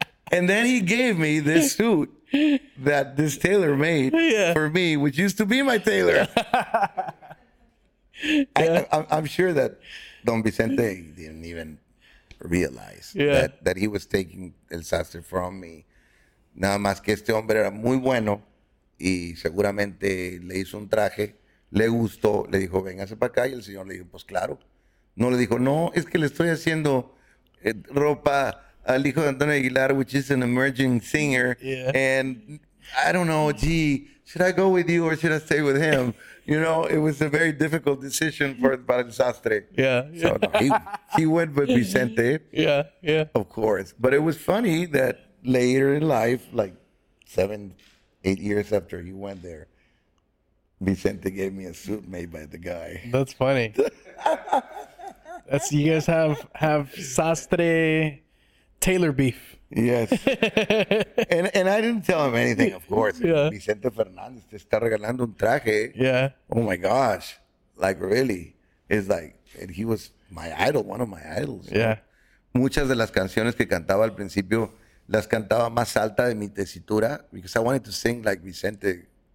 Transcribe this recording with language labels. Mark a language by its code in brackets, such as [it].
[en] And then he gave me this suit that this tailor made for me, which used to be my tailor. I'm sure that Don Vicente didn't even realize that he was taking el sastre from me. [es] Nada más que este hombre era muy bueno y seguramente le hizo un traje, le gustó, le dijo, véngase para acá. Y el señor le dijo, pues claro. No le dijo, no, es que le estoy haciendo ropa [en] El Hijo de Antonio Aguilar, which is an emerging singer. Yeah. And I don't know, gee, should I go with you or should I stay with him? You know, it was a very difficult decision for Para el Sastre. Yeah. Yeah. So no, he went with Vicente. Yeah, yeah. Of course. But it was funny that later in life, like 7-8 years after he went there, Vicente gave me a suit made by the guy. That's funny. That's, you guys have Sastre Taylor beef. Yes. And I didn't tell him anything, of course. Yeah. [es] Vicente Fernandez te está regalando un traje. [en] Yeah. Oh my gosh. Like, really? It's like, and he was my idol, one of my idols. Yeah. [es] Muchas de las canciones que cantaba al principio las cantaba más alta de mi tesitura, because I wanted to sing like Vicente.